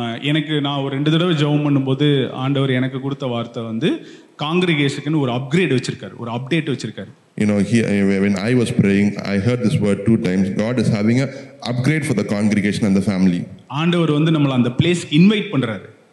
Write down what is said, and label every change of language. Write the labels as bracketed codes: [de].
[ta] எனக்கு நான் ஒரு ரெண்டு தடவை ஜெபம் பண்ணும்போது ஆண்டவர் எனக்கு கொடுத்த வார்த்தை வந்து congregation-க்கு ஒரு அப்கிரேட் வச்சிருக்காரு, ஒரு அப்டேட் வச்சிருக்காரு. [en] You know, when I was praying, I heard this word two times. God is having a upgrade for the congregation and the family. [ta] ஆண்டவர் வந்து நம்மள அந்த place-க்கு invite பண்றாரு.